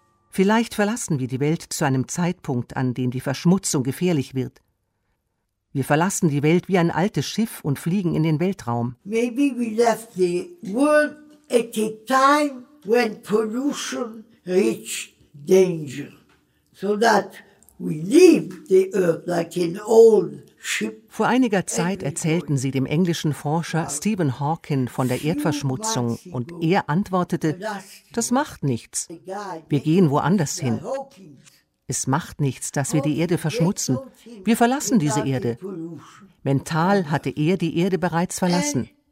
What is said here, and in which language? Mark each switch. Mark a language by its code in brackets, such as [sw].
[de] Vielleicht verlassen wir die Welt zu einem Zeitpunkt, an dem die Verschmutzung gefährlich wird. Wir verlassen die Welt wie ein altes Schiff und fliegen in den Weltraum. [en] Maybe we left the world at a time when pollution reached danger. So that we leave the earth like an old ship. [de] Vor einiger Zeit erzählten sie dem englischen Forscher Stephen Hawking von der Erdverschmutzung und er antwortete, das macht nichts. Wir gehen woanders hin. Es macht nichts, dass wir die Erde verschmutzen. Wir verlassen diese Erde. Mental hatte er die Erde bereits verlassen.